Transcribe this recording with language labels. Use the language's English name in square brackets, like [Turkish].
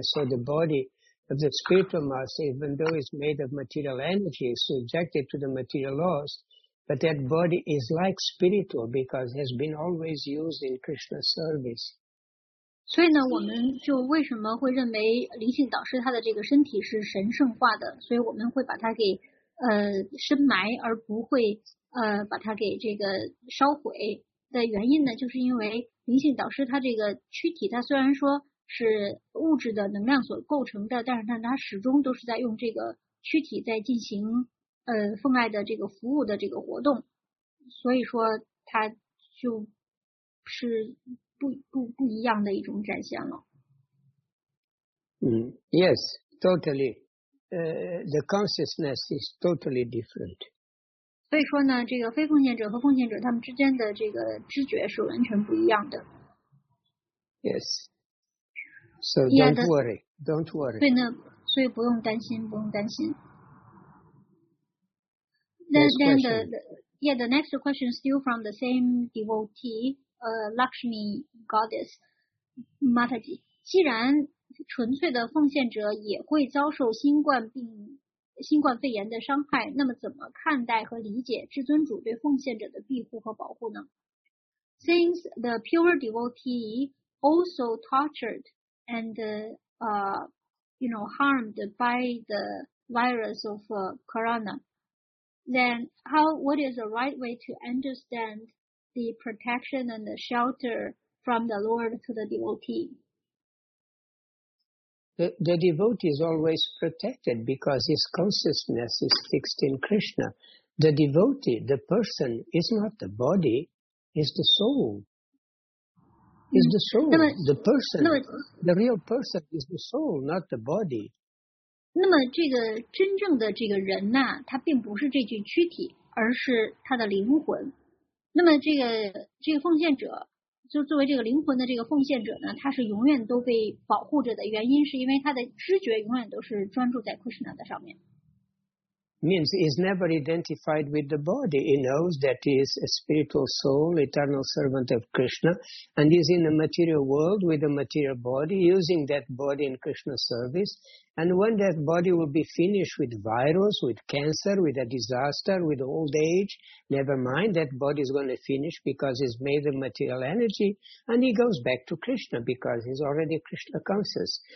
[English] So the body of the spiritual master, even though it's made of material energy, is subjected to the material laws, but that body is like spiritual because it has been always used in Krishna's service. [Chinese] 所以呢，我们就为什么会认为灵性导师他的这个身体是神圣化的，所以我们会把它给深埋，而不会把它给这个烧毁的原因呢，就是因为灵性导师他这个躯体，他虽然说是物质的能量所构成的，但是呢，他始终都是在用这个躯体在进行奉爱的这个服务的这个活动，所以说他就是不一样的一种展现了。 [English] Yes, totally. The consciousness is totally different. [Chinese] 所以说呢，这个非奉献者和奉献者他们之间的这个知觉是完全不一样的。 [English] Yes. So don't worry. Don't worry. [Chinese] 对呢，所以不用担心，不用担心。 [English] The next question is still from the same devotee. [Chinese] Lakshmi Goddess Mataji, 既然纯粹的奉献者也会遭受新冠肺炎的伤害，那么怎么看待和理解至尊主对奉献者的庇护和保护呢？ [English] Since the pure devotee also tortured and harmed by the virus of Corona, then what is the right way to understandthe protection and the shelter from the Lord to the devotee? The devotee is always protected because his consciousness is fixed in Krishna. The devotee, the person, is not the body, is the soul. Is the soul, the person, the real person is the soul, not the body. [Chinese] 那么这个真正的这个人呢，他并不是这具躯体，而是他的灵魂。那么这个奉献者，就作为这个灵魂的这个奉献者呢，他是永远都被保护着的，原因是因为他的知觉永远都是专注在 Krishna 的上面。 [English] Means he's never identified with the body. He knows that he is a spiritual soul, eternal servant of Krishna, and he's in the material world with a material body, using that body in Krishna's service. And when that body will be finished with virus, with cancer, with a disaster, with old age, never mind, that body is going to finish because it's made of material energy, and he goes back to Krishna because he's already Krishna conscious.